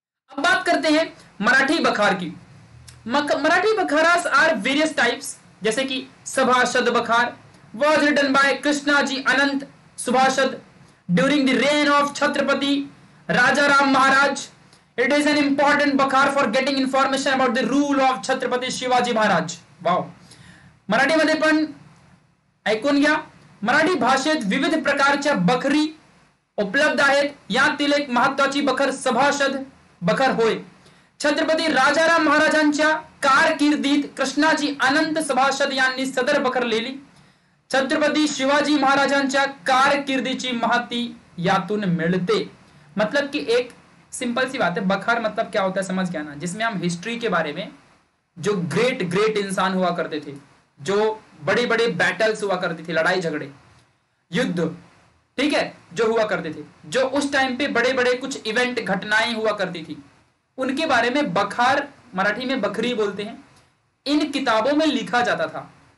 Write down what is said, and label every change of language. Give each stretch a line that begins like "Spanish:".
Hindi: अब बात करते हैं मराठी बखार की।
English: Marathi bakhars are various types, जैसे कि Sabhasad bakhar, was written by Krishnaji Anant Sabhasad during the reign of Chhatrapati Raja Ram Maharaj. It is an important bakhar for getting information about the rule of Chhatrapati Shivaji Maharaj.
Marathi: Wow, Marathi मध्ये पण ऐकून घ्या, मराठी भाषेत विविध प्रकारच्या बखरी उपलब्ध आहेत, यातील एक महत्त्वाची बखर सभासद बखर होय। छत्रपती राजाराम महाराजांच्या कारकिर्दीत कृष्णाजी अनंत सभासद यांनी सदर बखर लेली। छत्रपती शिवाजी महाराजांच्या कारकिर्दीची महती यातून मिळते।
Hindi: मतलब की एक सिंपल सी बात है, बखर मतलब क्या होता है समझ गया ना, जिसमें हम हिस्ट्री के बारे में, जो ग्रेट ग्रेट इंसान हुआ करते थे, जो बड़े बड़े बैटल्स हुआ करती थी, लड़ाई झगड़े, युद्ध, ठीक है, जो हुआ करते थे, जो उस टाइम पे बड़े बड़े कुछ इवेंट घटनाएं हुआ करती थी, उनके बारे में बखार, मराठी में बखरी बोलते हैं, इन किताबों में लिखा जाता था।